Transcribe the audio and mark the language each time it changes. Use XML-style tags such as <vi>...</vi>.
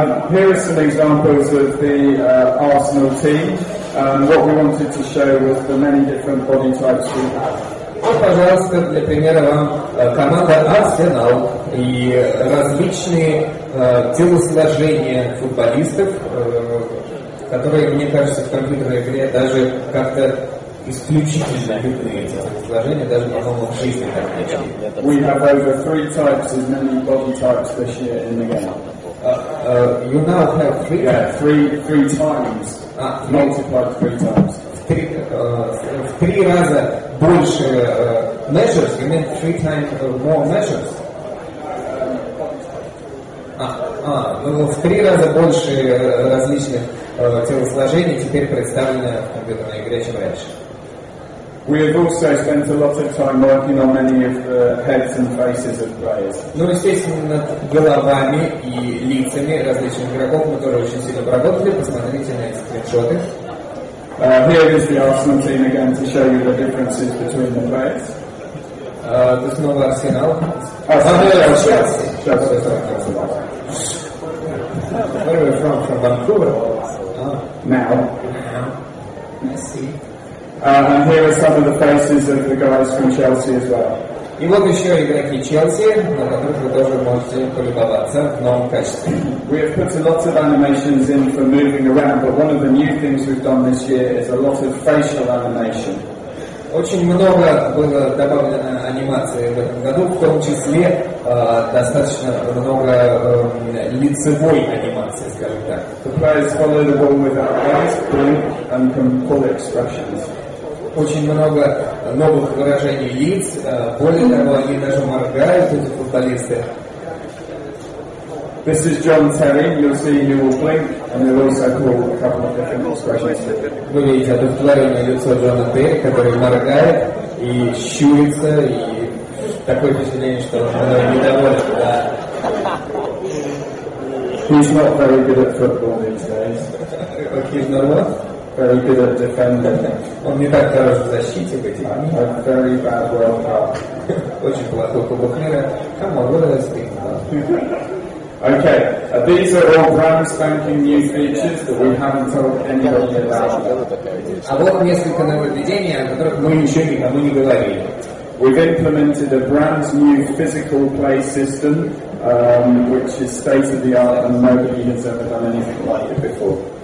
<en>Here are some examples of the Arsenal team. What we wanted to show was the many different body types we have.</en> <ru>Вот, пожалуйста, для примера вам команда Arsenal и различные телосложения футболистов, которые, мне кажется, в компьютерной игре даже как-то исключительно видны эти телосложения, даже, по-моему, в жизни так не видны.</ru> <en>We have over three types as many body types this year in the game. You now have three? Yeah, three times. Multiplied three times.</en> <ru>В три раза больше</ru> <en>measures? You mean three times more measures?</en> <ru>В три раза больше различных телосложений теперь представлено в компьютерной игре, чем раньше.</ru> <en>We have also spent a lot of time working on many of the heads and faces of players.</en> <ru>Ну, естественно, над головами и лицами различных игроков мы тоже очень сильно поработали. Посмотрите на эти скриншоты.</ru> <en>Here is the Arsenal team again to show you the differences between the players. This</en> <ru>новый арсенал.</ru> <en>Where are we from? From Vancouver. Now. Messi. And here are some of the faces of the guys from Chelsea as well.</en> <ru>И вот еще игроки Челси, на которых вы тоже можете полюбоваться в новом качестве.</ru> <en>We have put a lot of animations in for moving around, but one of the new things we've done this year is a lot of facial animation.</en> <ru>Очень много было добавлено анимации в этом году, в том числе достаточно много лицевой анимации, скажем так.</ru> <en>The players follow the ball with their eyes, blink, and can pull expressions.</en> <ru>Очень много новых выражений лиц, более того, они даже моргают, эти футболисты.</ru> <en>This is John Terry, you'll see he will blink, and he'll also call a couple of different expressions.</en> <ru>Вы видите одухотворенное лицо Джона Терри, который моргает и щурится, и такое впечатление, что он недоволен, да.</ru> <en>He's not very good at football these days. He's not what? Very good at defending.</en> <ru>Он не так хорош в защите, быть.</ru> <en>I'm a very bad World Cup.</en> <ru>Очень плохой Кубок мира.</ru> <en>Come on, what else do you know? Okay, these are all brand spanking new features that we haven't told anybody about.</en> <ru>А вот несколько нововведений, о которых мы еще никому не говорили.</ru> <en>We've implemented a brand new physical play system, which is state of the art, and nobody has ever done anything like it before.</en>